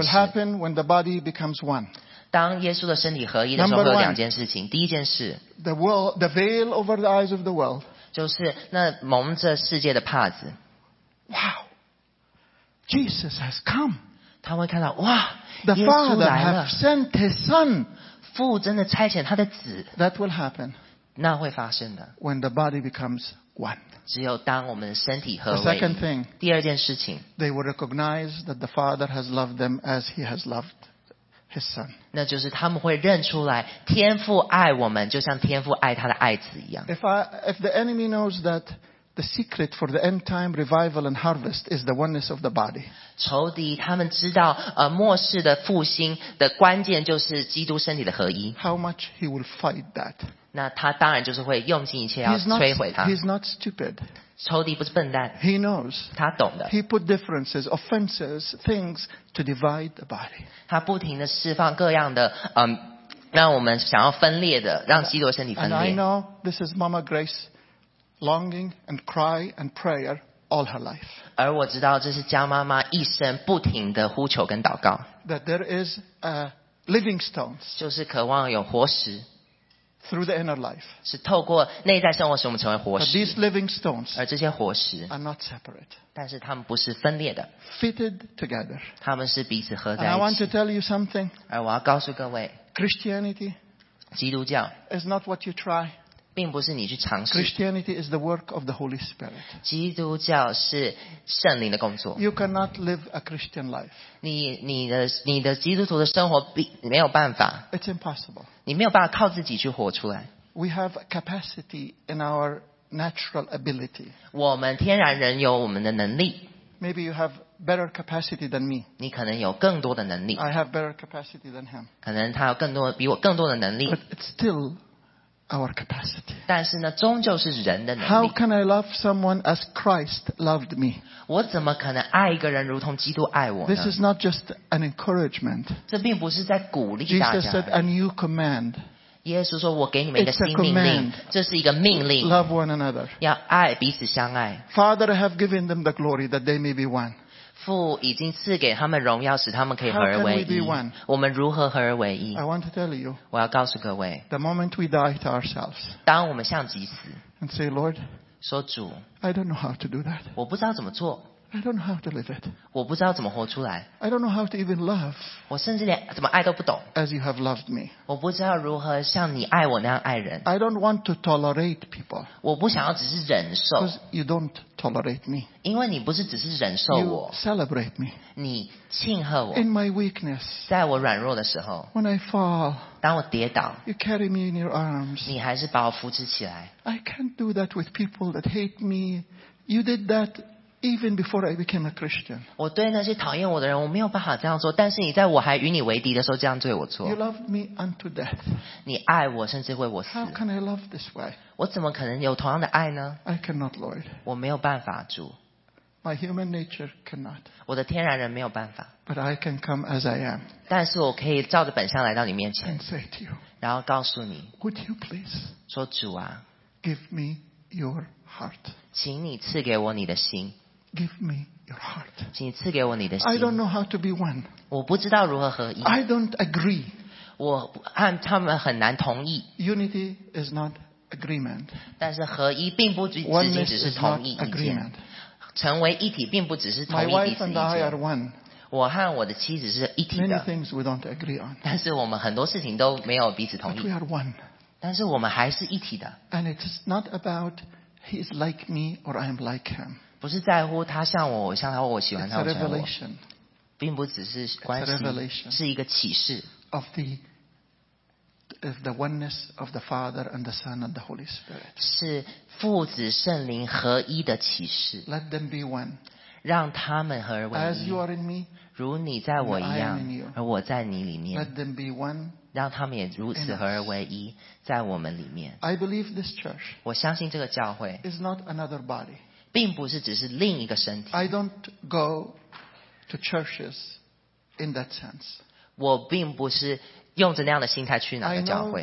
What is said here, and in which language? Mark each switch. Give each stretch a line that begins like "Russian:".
English: Will happen when the body becomes one.
Chinese: 当耶稣的身体合一的时候，会有两件事情。第一件事
English: ，the world, the veil over the eyes of the world.
Chinese: 就是那蒙着世界的帕子。
English: Wow, Jesus has come.
Chinese: 他会看到哇，
English: the Father has sent His Son.
Chinese: 父真的差遣他的子。
English: That will happen.
Chinese: 那会发生的。
English: When the body becomes one.
Chinese: 只有当我们的身体合为一。
English: The second thing,
Chinese: 第二件事情
English: ，they will recognize that the Father has loved them as He has loved His Son.
Chinese: 那就是他们会认出来，天父爱我们，就像天父爱他的爱子一样。
English: If the enemy knows that the secret for the end time revival and harvest is the oneness of the body,
Chinese: 仇敌他们知道，末世的复兴的关键就是基督身体的合一。
English: How much he will fight that?
Chinese: 那他当然就是会用尽一切要摧毁他。
English: He's not stupid.
Chinese: 仇敌不是笨蛋。
English: He knows.
Chinese: 他懂的。
English: He put differences, offenses, things to divide the body.
Chinese: 他不停地释放各样的让我们想要分裂的，让基督身体分裂。
English: And I know this is Mama Grace longing and cry and prayer all her life.
Chinese: 而我知道这是江妈妈一生不停地呼求跟祷告。
English: That there is a living stones.
Chinese: 就是渴望有活石。
English: through the inner life.
Chinese: 是透过内在生活使我们成为活石。
English: These living stones,
Chinese: 而这些活石
English: are not separate.
Chinese: 但是他们不是分裂的。
English: Fitted together.
Chinese: 他们是彼此合在一起。
English: I want to tell you something.
Chinese: 而我要告诉各位
English: ，Christianity,
Chinese: 基督教
English: is not what you try.
Chinese: 并不是你去尝试。
English: Christianity is the work of the Holy Spirit.
Chinese: 基督教是圣灵的工作。
English: You cannot live a Christian life.
Chinese: 你的基督徒的生活没有办法。
English: It's impossible.
Chinese: 你没有办法靠自己去活出来。
English: We have capacity in our natural ability.
Chinese: 我们天然人有我们的能力。
English: Maybe you have better capacity than me.
Chinese: 你可能有更多的能力。
English: I have better capacity than him.
Chinese: 可能他有更多比我更多的能力。
English: But it's still. Our capacity.
Chinese: 但是呢，终究是人的能力。
English: How can I love someone as Christ loved me?
Chinese: 我怎么可能爱一个人如同基督爱我呢？
English: This is not just an encouragement.
Chinese: 这并不是在鼓励大家。
English: Jesus said a new command.
Chinese: 耶稣说，我给你们一个新命令。这是一个命令。
English: Love one another.
Chinese: 要爱彼此相爱。
English: Father, I have given them the glory that they may be one.
Chinese: 父已经赐给他们荣耀，使他们可以合而为一。我们如何合而为一
English: ？I want to tell you.
Chinese: 我要告诉各位。
English: The moment we die to ourselves.
Chinese: 当我们向己死。
English: And say, Lord.
Chinese: 说主。
English: I don't know how to do that.
Chinese: 我不知道怎么做。
English: I don't know how to live it.
Chinese: 我不知道怎么活出来。
English: I don't know how to even love.
Chinese: 我甚至连怎么爱都不懂。
English: As you have loved me.
Chinese: 我不知道如何像你爱我那样爱人。
English: I don't want to tolerate people.
Chinese: 我不想要只是忍受。
English: Because you don't tolerate me.
Chinese: 因为你不是只是忍受我。
English: You celebrate me.
Chinese: 你庆贺我。
English: In my weakness.
Chinese: 在我软弱的时候。
English: When I fall.
Chinese: 当我跌倒。
English: You carry me in your arms.
Chinese: 你还是把我扶持起来。
English: I can't do that with people that hate me. You did that. Even before I became a Christian,
Chinese: 我对那些讨厌我的人，我没有办法这样做。但是你在我还与你为敌的时候，这样对我做。
English: You loved me unto death.
Chinese: 你爱我，甚至为我死。
English: How can I love this way?
Chinese: 我怎么可能有同样的爱呢
English: ？I cannot, Lord.
Chinese: 我没有办法，主。
English: My human nature cannot.
Chinese: 我的天然人没有办法。
English: But I can come as I am.
Chinese: 但是我可以照着本相来到你面前。
English: And say to you.
Chinese: 然后告诉你。
English: Would you please?
Chinese: 说主啊。
English: Give me your heart.
Chinese: 请你赐给我你的心。
English: Give me your heart.
Chinese: 请赐给我你的心。
English: I don't know how to be one.
Chinese: 我不知道如何合一。
English: I don't agree.
Chinese: 我和他们很难同意。
English: Unity is not agreement.
Chinese: 但是合一并不仅仅只是同意意见。成为一体并不只是同意彼此意见。
English: My wife and I are one.
Chinese: 我和我的妻子是一体的。
English: Many things we don't agree on.
Chinese: 但是我们很多事情都没有彼此同意。
English: But we are one.
Chinese: 但是我们还是一体的。
English: And it's not about he is like me or I am like him.
Chinese: 不是在乎他像我，我像他，我喜欢他，我喜欢我，并不只是关系，是一个启示。
English: Of the oneness of the Father and the Son and the Holy Spirit.
Chinese: 是父子圣灵合一的启示。
English: Let them be one.
Chinese: 让他们合而为一。
English: As you are in me,
Chinese: 如你在我一样，而我在你里面。
English: Let them be one.
Chinese: 让他们也如此合而为一，在我们里面。
English: I believe this church.
Chinese: 我相信这个教会。
English: Is not another body.
Chinese: 并不是只是另一个身体。
English: I don't go to churches in that sense.
Chinese: 我并不是用着那样的心态去哪个教会。